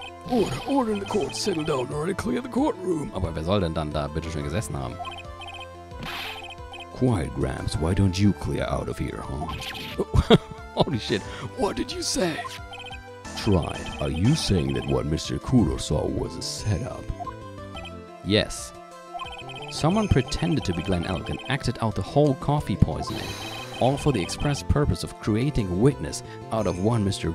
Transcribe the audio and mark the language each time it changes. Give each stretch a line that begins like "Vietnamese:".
English: Order, order in the court, settle down, already clear the courtroom.
German: Aber wer soll denn dann da bitteschön gesessen haben?
English: Quiet, Gramps, why don't you clear out of here, huh? Holy shit. What did you say? Tried. Are you saying that what Mr. Kudo saw was a setup? Yes. Someone pretended to be Glenn Elg and acted out the whole coffee poisoning, all for the express purpose of creating a witness out of one Mr.